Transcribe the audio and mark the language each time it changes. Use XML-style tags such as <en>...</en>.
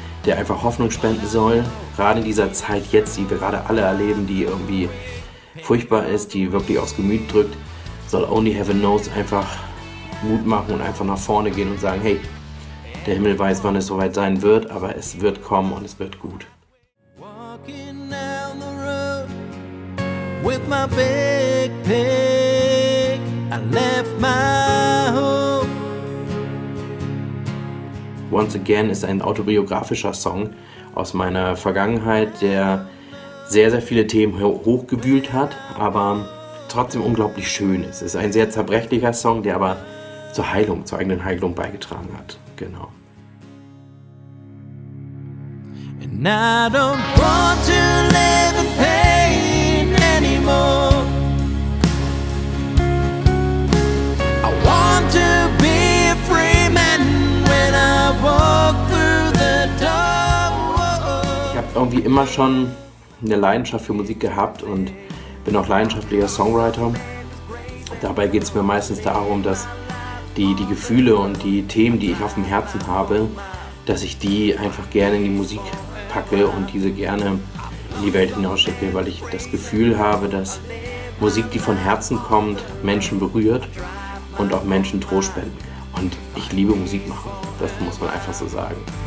<de>Der einfach Hoffnung spenden soll, gerade in dieser Zeit jetzt, die wir gerade alle erleben, die irgendwie furchtbar ist, die wirklich aufs Gemüt drückt, soll Only Heaven Knows einfach Mut machen und einfach nach vorne gehen und sagen, hey, der Himmel weiß, wann es soweit sein wird, aber es wird kommen und es wird gut.</de> <en>Walking down the road with my big pig, I left my home.</en> <de>Once Again ist ein autobiografischer Song aus meiner Vergangenheit, der sehr, sehr viele Themen hochgewühlt hat, aber trotzdem unglaublich schön ist. Es ist ein sehr zerbrechlicher Song, der aber zur Heilung, zur eigenen Heilung beigetragen hat. Genau.</de> <en>And I don't want to live in pain anymore. I want to be a free man when I walk through the door.</en> <de>Ich habe irgendwie immer schon eine Leidenschaft für Musik gehabt und bin auch leidenschaftlicher Songwriter. Dabei geht es mir meistens darum, dass die Gefühle und die Themen, die ich auf dem Herzen habe, dass ich die einfach gerne in die Musik packe und diese gerne in die Welt hinausschicke, weil ich das Gefühl habe, dass Musik, die von Herzen kommt, Menschen berührt und auch Menschen Trost spendet. Und ich liebe Musik machen, das muss man einfach so sagen.</de>